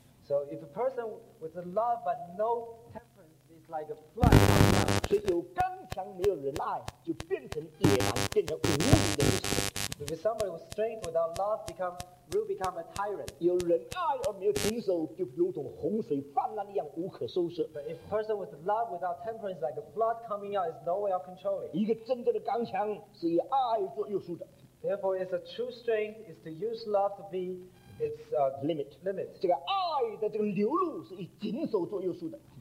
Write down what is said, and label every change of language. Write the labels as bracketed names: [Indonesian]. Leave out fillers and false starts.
[English] So if a person with a love but no temperance is like a flood, [Chinese] 所以有刚强没有仁爱，就变成野蛮，变成无理的。If [English] somebody with strength without love will become a tyrant. [Chinese] 有仁爱而没有谨守，就如同洪水泛滥一样，无可收拾。But [English] if a person with love without temperance is like a flood coming out, is no way of controlling. [Chinese] 一个真正的刚强是以爱做约束的。Therefore, [English] it's a true strength is to use love to be. It's a limit. [Chinese] 这个爱的这个流露是以谨守做约束的。